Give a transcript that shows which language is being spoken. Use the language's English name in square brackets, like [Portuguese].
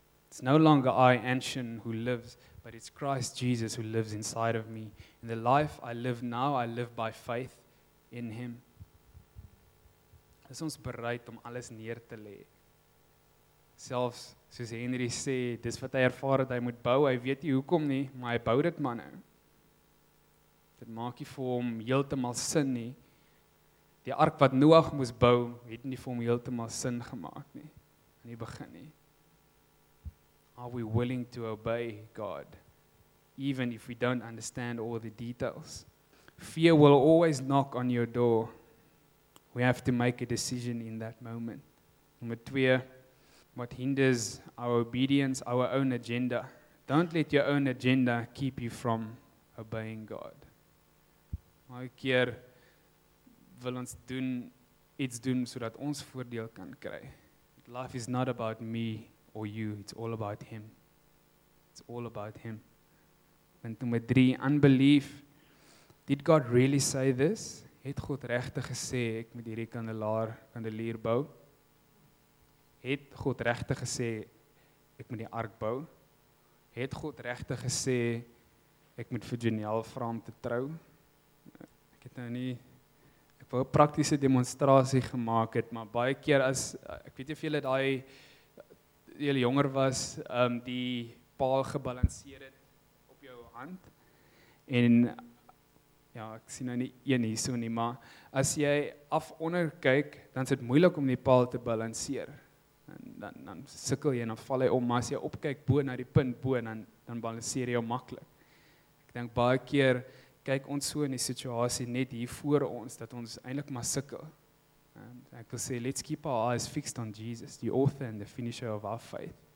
[English] It's no longer I, Anshin, who lives, but it's Christ Jesus who lives inside of me. In the life I live now, I live by faith in Him. [Afrikaans] Is ons bereid om alles neer te lê? Selfs, soos Henry sê, dis wat hy ervaar het, hy moet bou, hy weet nie hoekom nie, maar hy bou dit maar nou. Dit maak nie vir hom heeltemal sin nie. Die ark wat Noag moes bou, het nie vir hom heeltemal sin gemaak nie, in die begin nie. [English] Are we willing to obey God, even if we don't understand all the details? Fear will always knock on your door. We have to make a decision in that moment. Number 2, what hinders our obedience, our own agenda. Don't let your own agenda keep you from obeying God. [Afrikaans] Maar een keer wil ons doen, iets doen, sodat ons voordeel kan kry. [English] Life is not about me or you, it's all about Him. It's all about Him. [Afrikaans] Punt nummer 3, [English] unbelief. Did God really say this? [Afrikaans] Het God regtig gesê, ek moet hierdie kandelaar bou? Het God regtig gesê, ek moet die ark bou? Het God regtig gesê, ek moet vir Janelle vra om te trou? Ek het nou nie, ek wou 'n praktiese demonstrasie gemaak het, maar baie keer as, ek weet nie of julle daai, julle jonger was, die paal gebalanseer het op jou hand, en ja, ek sien nou nie een hier so nie, maar as jy af onder kyk, dan is dit moeilik om die paal te balanseer, en dan sukkel jy, dan val jy om, maar as jy opkyk bo na die punt bo, dan balanseer jy maklik. Ek denk baie keer, kyk ons so in die situasie net hier voor ons, dat ons eintlik maar sukkel. [English] And [Afrikaans] ek wil sê, [English] let's keep our eyes fixed on Jesus, the author and the finisher of our faith.